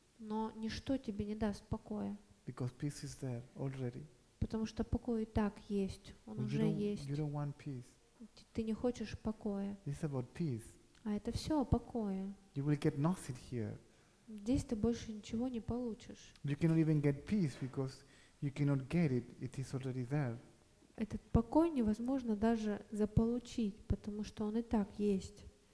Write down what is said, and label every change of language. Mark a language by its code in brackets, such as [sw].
[ru] Но ничто тебе не даст покоя. [en] Because peace is there already. [ru] Потому что покой и так есть, он [en] But [ru] уже [en] you don't, [ru] есть. [en] You don't want peace. [ru] Ты не хочешь покоя. [en] It's about peace. [ru] А это все о покое. [en] You will get nothing here. [ru] Здесь ты больше ничего не получишь. [en] You cannot even get peace because you cannot get it. It is already there. [ru] Этот покой невозможно даже заполучить, потому что он и так есть.